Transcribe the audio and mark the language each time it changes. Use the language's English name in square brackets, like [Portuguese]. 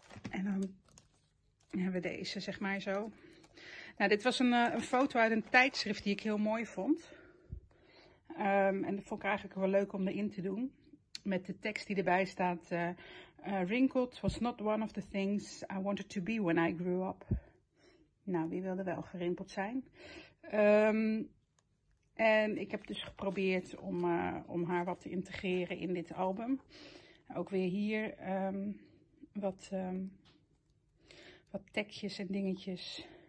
[Dutch] En dan hebben we deze, zeg maar zo. Nou, dit was een foto uit een tijdschrift die ik heel mooi vond. En dat vond ik eigenlijk wel leuk om erin te doen. Met de tekst die erbij staat. [English] Wrinkled was not one of the things I wanted to be when I grew up. [Dutch] Nou, wie wilde wel gerimpeld zijn? En ik heb dus geprobeerd om haar wat te integreren in dit album. Ook weer hier wat tekstjes en dingetjes.